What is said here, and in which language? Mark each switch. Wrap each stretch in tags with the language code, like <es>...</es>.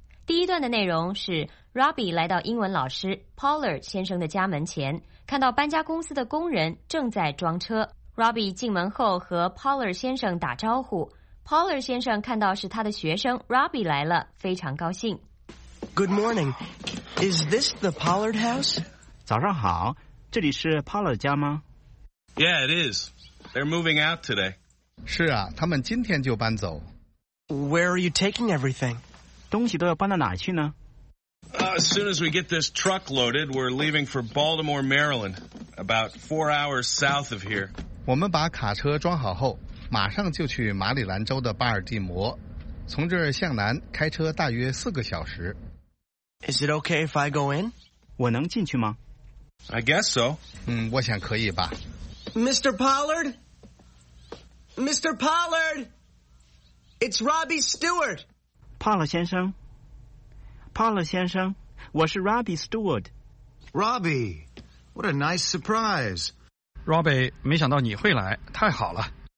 <zh>第一段的内容是 Robbie 来到英文老师 Pollard 先生的家门前，看到搬家公司的工人正在装车。 Robbie 进门后和 Pollard 先生打招呼， Pollard 先生看到是他的学生 Robbie 来了，非常高兴。</zh> <en>Good morning. Is this the Pollard house?</en> <zh>早上好，这里是 Pollard 家吗？</zh> <en>Yeah, it is. They're moving out today.</en> <zh>是啊，他们今天就搬走。</zh> <en>Where are you taking everything?</en> <zh>东西都要搬到哪去呢？</zh> <en>As soon as we get this truck loaded, we're leaving for Baltimore, Maryland, about 4 hours south of here.</en> <zh>我们把卡车装好后，马上就去马里兰州的巴尔的摩，从这儿向南开车大约4个小时。</zh> <en>Is it okay if I go in?</en> <zh>我能进去吗？</zh> <en>I guess so.</en> <zh>我想可以吧。</zh> <en>Mr. Pollard? Mr. Pollard? It's Robbie Stewart.</en> <zh>帕勒先生。 Paula 先生，我是 Robbie Stewart。</zh> <en>Robbie, what a nice surprise.</en> <zh>Robbie, 没想到你会来，太好了。</zh>